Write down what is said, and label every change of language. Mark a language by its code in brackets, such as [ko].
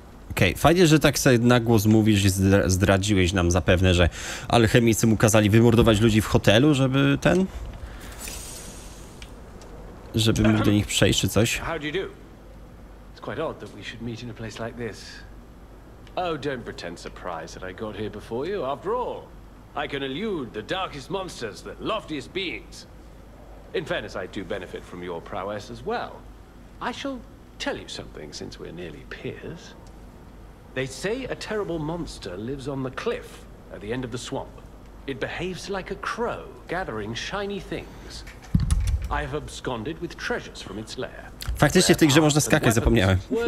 [pl] Okej, fajnie, że tak sobie na głos mówisz i zdradziłeś nam zapewne, że alchemicy mu kazali wymordować ludzi w hotelu, żeby ten... żeby mógł do nich przejść czy coś. [en] Quite odd that we should meet in a place like this. Oh, don't pretend surprise that I got here before you. After all, I can elude the darkest monsters, the loftiest beings. In fairness, I do benefit from your prowess as well. I shall tell you something since we're nearly peers. They say a terrible monster lives on the cliff at the end of the swamp. It behaves like a crow gathering shiny things. I have absconded with treasures from its lair. [pl] Faktycznie w tej grze można skakać, zapomniałem.